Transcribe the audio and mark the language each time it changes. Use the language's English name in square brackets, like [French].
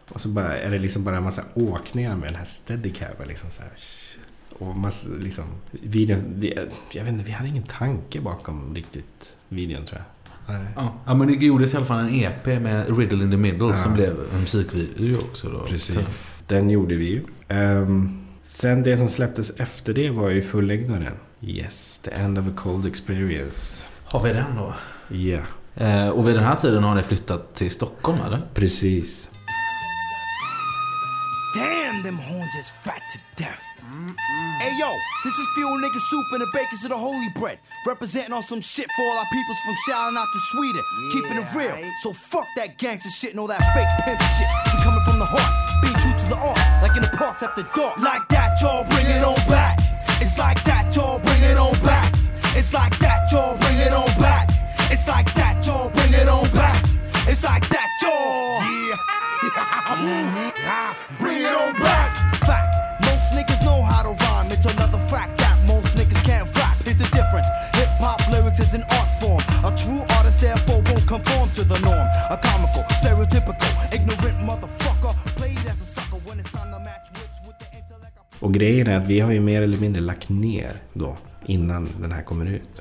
[Swedish] Och så bara, är det liksom bara en massa åkningar med den här steadicam, liksom så här, och massa, liksom, videon, jag vet inte, vi hade ingen tanke bakom riktigt videon tror jag. Ja, men det gjordes i alla fall en EP med Riddle in the Middle som blev en musikvideo också då. Precis, den gjorde vi ju. Sen det som släpptes efter det var ju fullängdaren. [English] Yes, The End of a Cold Experience. [Swedish] Har vi den då? Ja. Yeah. Och vid den här tiden har ni flyttat till Stockholm eller? Precis. [English] Damn, them horns is fat to death. Hey yo, this is Fuel Nigga Soup and the Bakers of the Holy Bread. Representing all some shit for all our peoples from shouting out to Sweden. Yeah, keeping it real, right. So fuck that gangster shit and all that fake pimp shit. I'm coming from the heart, being true to the art, like in the parks after dark. Like that, y'all bring it on back. It's like that, y'all bring it on back. It's like that, y'all bring it on back. It's like that, y'all bring it on back. It's like that, y'all. Yeah. Bring it on back. Fact. Niggas know how to rhyme, it's another fact that most niggas can't rap. Here's the difference, hip-hop lyrics is an art form. A true artist therefore won't conform to the norm. A comical, stereotypical, ignorant motherfucker. Played as a sucker when it's time to match wits with the intellect. [Swedish] Och grejen är att vi har ju mer eller mindre lagt ner då innan den här kommer ut.